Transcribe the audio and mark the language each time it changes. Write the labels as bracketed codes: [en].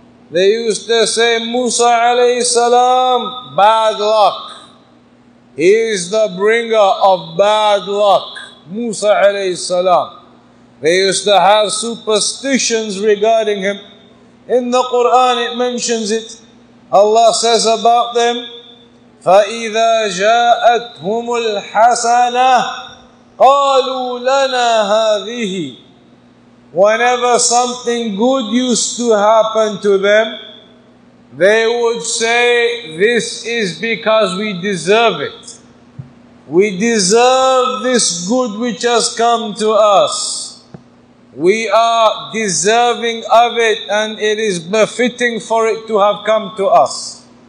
[en] They used to say, Musa alayhi salam, bad luck. He is the bringer of bad luck, Musa alayhi salam. They used to have superstitions regarding him. In the Quran it mentions it. Allah says about them, [ar] فَإِذَا جَاءَتْهُمُ الْحَسَنَةِ قَالُوا لَنَا هَذِهِ. [en] Whenever something good used to happen to them, they would say, this is because we deserve it. We deserve this good which has come to us. We are deserving of it, and it is befitting for it to have come to us.